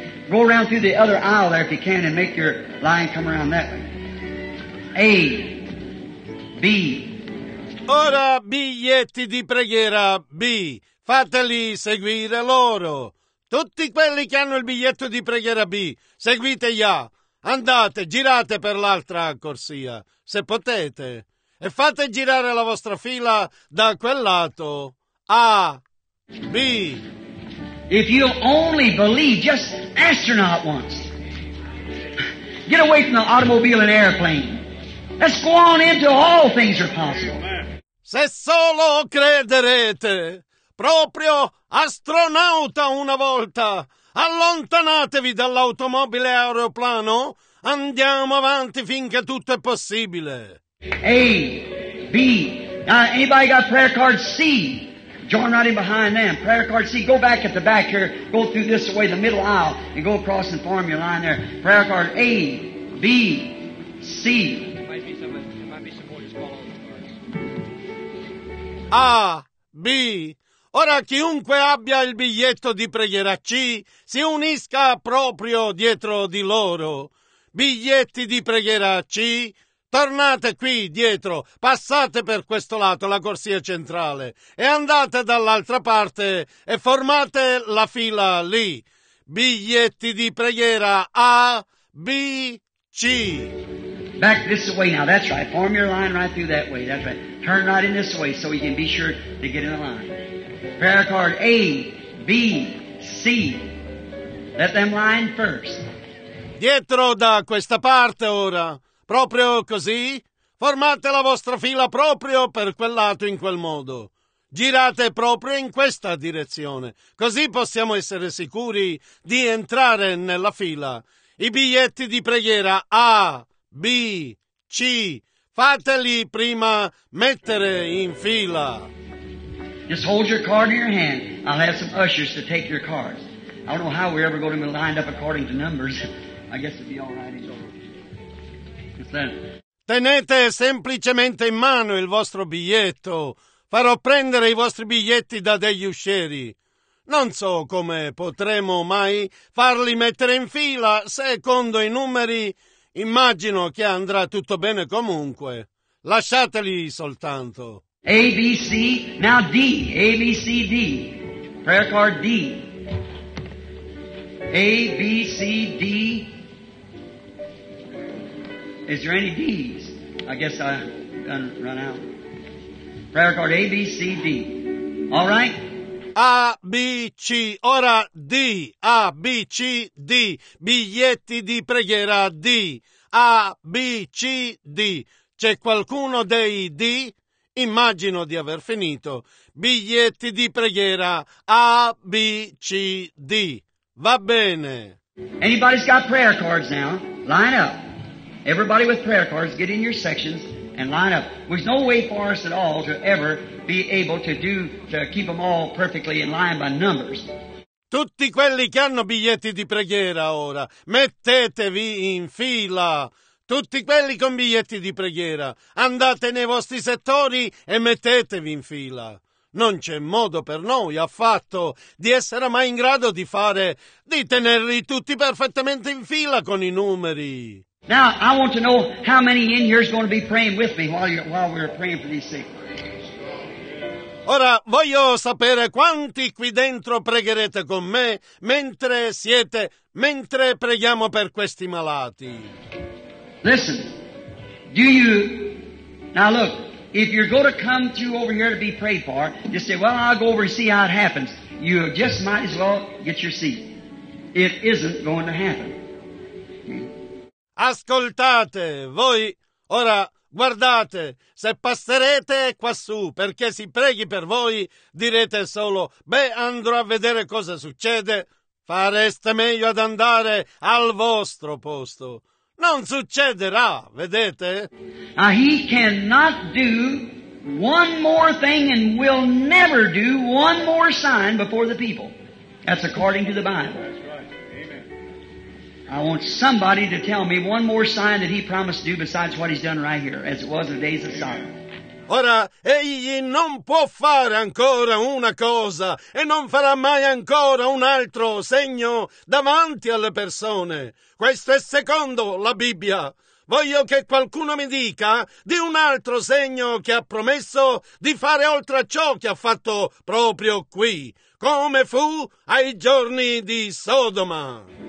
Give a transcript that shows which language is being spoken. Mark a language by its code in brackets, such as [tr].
[en] Go around through the other aisle there if you can and make your line come around that way. A. B. [it] Ora biglietti di preghiera B. Fateli seguire loro. Tutti quelli che hanno il biglietto di preghiera B, seguite gli A. Andate, girate per l'altra corsia, se potete. E fate girare la vostra fila da quel lato. A. B. [en] If you only believe, just astronaut once. Get away from the automobile and airplane. Let's go on into all things are possible. [it] Se solo crederete, proprio astronauta una volta, allontanatevi dall'automobile aeroplano, andiamo avanti finché tutto è possibile. [en] A, B, anybody got prayer card C? Join right in behind them. Prayer card C, go back at the back here. Go through this way, the middle aisle, and go across and form your line there. Prayer card A, B, C. A, B. [it] Ora chiunque abbia il biglietto di preghiera C, si unisca proprio dietro di loro. Biglietti di preghiera C, tornate qui dietro, passate per questo lato, la corsia centrale, e andate dall'altra parte e formate la fila lì. Biglietti di preghiera A, B, C. [en] Back this way now, that's right. Form your line right through that way, that's right. Turn right in this way so you can be sure to get in the line. Prayer card A, B, C. Let them line first. [it] Dietro da questa parte ora. Proprio così? Formate la vostra fila proprio per quel lato in quel modo. Girate proprio in questa direzione. Così possiamo essere sicuri di entrare nella fila. I biglietti di preghiera A, B, C, fateli prima mettere in fila. [en] Just hold your card in your hand. I'll have some ushers to take your cards. I don't know how we're ever going to be lined up according to numbers. I guess it'd be all right. [it] Tenete semplicemente in mano il vostro biglietto. Farò prendere i vostri biglietti da degli uscieri. Non so come potremo mai farli mettere in fila secondo i numeri. Immagino che andrà tutto bene comunque. Lasciateli soltanto. A, B, C, now D. A, B, C, D. Prayer card D. A, B, C, D. Is there any D's? I guess I run out. Prayer card A, B, C, D. All right? A, B, C, ora D. A, B, C, D. Biglietti di preghiera D. A, B, C, D. C'è qualcuno dei D? Immagino di aver finito. Biglietti di preghiera A, B, C, D. Va bene. [en] Anybody's got prayer cards now? Line up. Everybody with prayer cards, get in your sections and line up. There's no way for us at all to ever be able to do to keep them all perfectly in line by numbers. [it] Tutti quelli che hanno biglietti di preghiera ora, mettetevi in fila. Tutti quelli con biglietti di preghiera, andate nei vostri settori e mettetevi in fila. Non c'è modo per noi affatto di essere mai in grado di fare, di tenerli tutti perfettamente in fila con i numeri. [en] Now, I want to know how many in here is going to be praying with me while we're praying for these sick. [it] Ora, voglio sapere quanti qui dentro pregherete con me mentre preghiamo per questi malati. [en] Listen, do you... Now look, if you're going to come through over here to be prayed for, just say, well, I'll go over and see how it happens. You just might as well get your seat. It isn't going to happen. [it] Ascoltate, voi, ora, guardate, se passerete quassù perché si preghi per voi, direte solo, beh, andrò a vedere cosa succede, fareste meglio ad andare al vostro posto. Non succederà, vedete? [en] He cannot do one more thing and will never do one more sign before the people. That's according to the Bible. I want somebody to tell me one more sign that he promised to do besides what he's done right here, as it was in the days of Sodom. [it] Ora, egli non può fare ancora una cosa e non farà mai ancora un altro segno davanti alle persone. Questo è secondo la Bibbia. Voglio che qualcuno mi dica di un altro segno che ha promesso di fare oltre a ciò che ha fatto proprio qui, come fu ai giorni di Sodoma.